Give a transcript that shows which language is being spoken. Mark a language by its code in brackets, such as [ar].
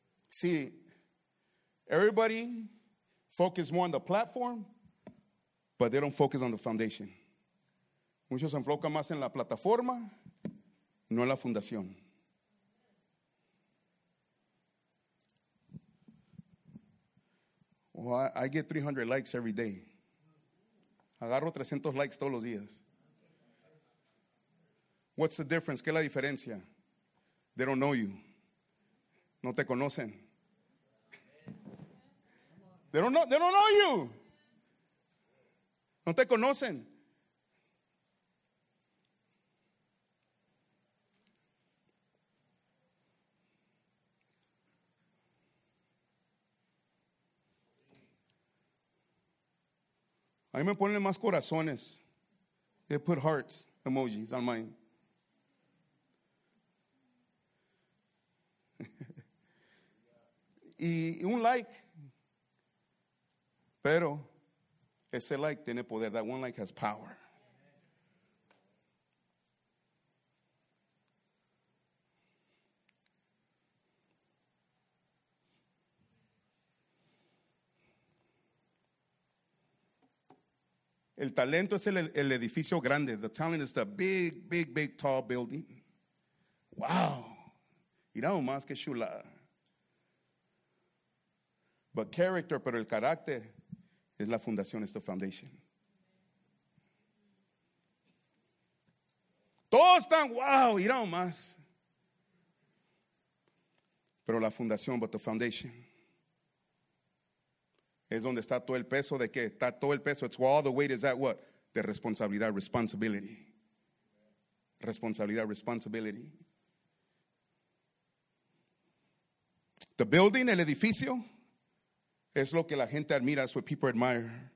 [en] See, everybody focus more on the platform, but they don't focus on the foundation. [es] Muchos se enfocan más en la plataforma, no en la fundación. [en] Well, I get 300 likes every day. [es] Agarro 300 likes todos los días. [en] What's the difference? [es] ¿Qué es la diferencia? [en] They don't know you. [es] No te conocen. [en] They don't know you. [es] No te conocen. A mí me ponen más corazones. [en] They put hearts, emojis on mine. [es] Y un like. Pero ese like tiene poder. [en] That one like has power. [es] El talento es el edificio grande. [en] The talent is the big, big, big, tall building. [es] Wow. Mira más que chulada. [en] But character, [es] pero el carácter, es la fundación, es [en] the foundation. [es] Todos están, wow, mira más. Pero la fundación, [en] but the foundation, [es] es donde está todo el peso de qué. Está todo el peso. [en] It's where all the weight is at what? [es] De responsabilidad, responsibility. Responsabilidad, responsibility. [en] The building, [es] el edificio, es lo que la gente admira. [en] It's what people admire.